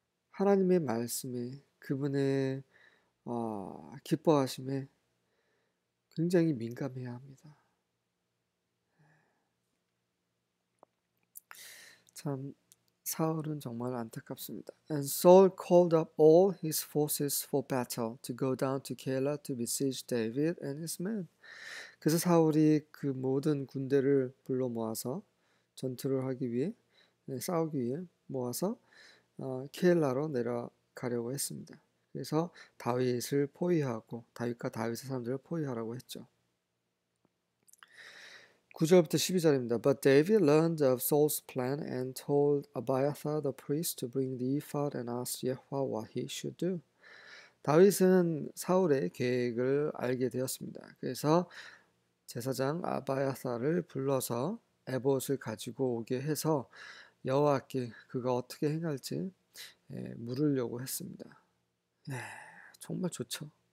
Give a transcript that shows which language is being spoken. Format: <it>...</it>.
<ko>하나님의 말씀에 그분의 기뻐하심에 굉장히 민감해야 합니다. 참 사울은 정말 안타깝습니다.</ko> <en>And Saul called up all his forces for battle to go down to Keilah to besiege David and his men.</en> <ko>그래서 사울이 그 모든 군대를 불러 모아서 전투를 하기 위해 싸우기 위해 모아서 케일라로 내려가려고 했습니다. 그래서 다윗을 포위하고 다윗과 다윗의 사람들을 포위하라고 했죠. 9절부터 12절입니다.</ko> <en>But David learned of Saul's plan and told Abiathar the priest to bring the ephod and ask Yehovah what he should do.</en> <ko>다윗은 사울의 계획을 알게 되었습니다. 그래서 제사장 아바야사를 불러서 에봇을 가지고 오게 해서 여호와께 그가 어떻게 행할지 물으려고 했습니다. 정말 좋죠.</ko>